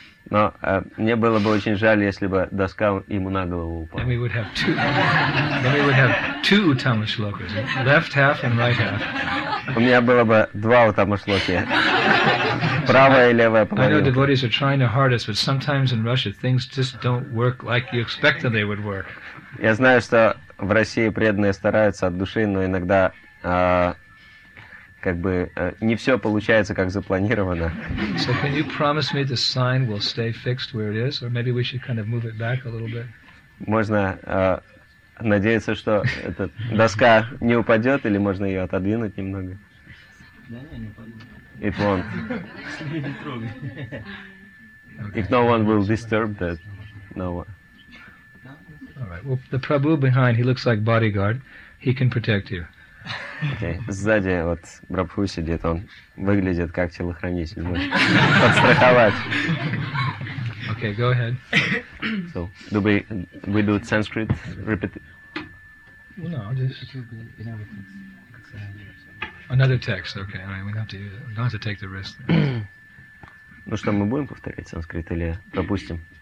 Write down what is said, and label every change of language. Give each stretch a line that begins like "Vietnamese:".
Russian: Но мне было бы очень жаль, если бы доска ему на голову упала.
English: Then we would have two. Then we would have two Uttama Shlokas, left half and right half.
Russian: У меня было бы два Uttama Shloki. правая и левая половина.
English: I know devotees are trying their hardest, but sometimes in Russia things just don't work like you expected they would work.
Russian: Я знаю, что в России преданные стараются от души, но иногда не все получается, как запланировано.
English: So can you promise me the sign will stay fixed where it is, or maybe we should kind of move it back a little bit?
Russian: Можно надеяться, что эта доска не упадет, или можно ее отодвинуть немного?
English: It won't. If no one will disturb that, no one. All right. Well, the Prabhu behind, he looks like bodyguard. He can protect you. Okay.
Russian: Сзади вот Прабху сидит, он выглядит как телохранитель, может подстраховать.
English: Okay, go ahead. So, do we do it Sanskrit? Repeat. Well, no, just another text. Okay, all right. We have to use it. We don't have to take the risk.
Russian: Ну что, мы будем повторять санскрит или пропустим?